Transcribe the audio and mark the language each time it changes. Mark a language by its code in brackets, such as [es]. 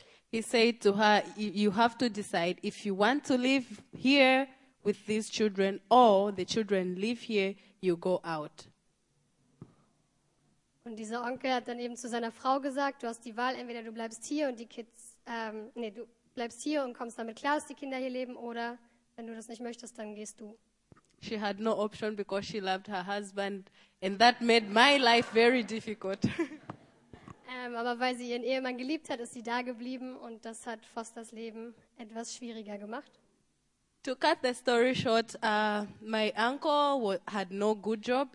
[en] He said to her, you have to decide if you want to live here with these children or the children live here, you go out. [de] Und dieser Onkel hat dann eben zu seiner Frau gesagt, du hast die Wahl, entweder du bleibst hier und die Kids, du bleibst hier und kommst damit klar, dass die Kinder hier leben, oder wenn du das nicht möchtest, dann gehst du. [en] She had no option because she loved her husband and that made my life very difficult. [de] Aber weil sie ihren Ehemann geliebt hat, ist sie da geblieben und das hat Fosters Leben etwas schwieriger gemacht. [en] To cut the story short, my uncle had no good job.